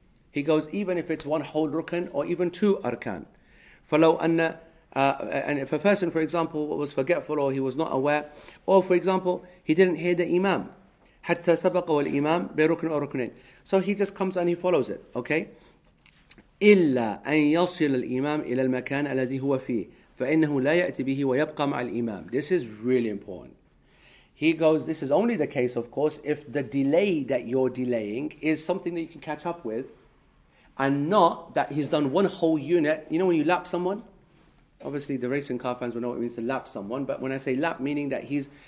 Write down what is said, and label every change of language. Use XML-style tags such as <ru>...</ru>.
<en>He goes, even if it's one whole rukn, or even two arkan.</en> <ar>Falaw anna.</ar> <en>And if a person, for example, was forgetful or he was not aware, or for example, he didn't hear the imam,</en> <ar>حتى سبقه الإمام بركن أو ركنين.</ar> <en>So he just comes and he follows it, okay?</en> <ar>إلا أن يصل الإمام إلى المكان الذي هو فيه فإنه لا يأتي به ويبقى مع الإمام.</ar> <en>This is really important. He goes, this is only the case, of course, if the delay that you're delaying is something that you can catch up with, and not that he's done one whole unit. You know when you lap someone? Obviously, the racing car fans will know what it means to lap someone, but when I say lap, meaning that he's...</en>